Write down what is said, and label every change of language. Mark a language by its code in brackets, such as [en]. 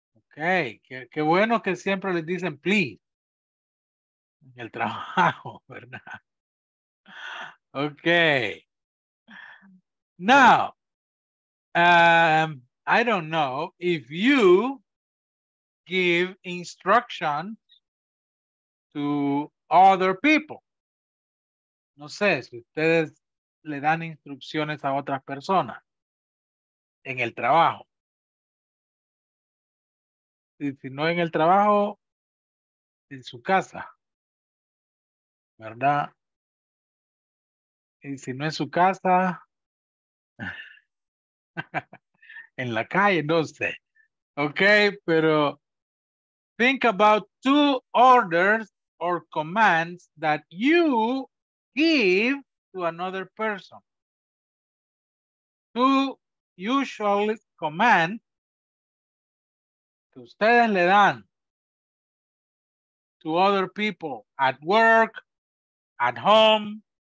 [es] Okay, qué bueno que siempre les dicen please en el trabajo, ¿verdad? [en] Okay. Now, I don't know if you give instructions to other people. [es] No sé si ustedes le dan instrucciones a otras personas en el trabajo. Y si no en el trabajo, en su casa. ¿Verdad? Y si no en su casa, en la calle, no sé. [en] Okay, [es] pero [en] think about two orders or commands that you give to another person. Two usual commands [es] que ustedes le dan [en] to other people at work, at home.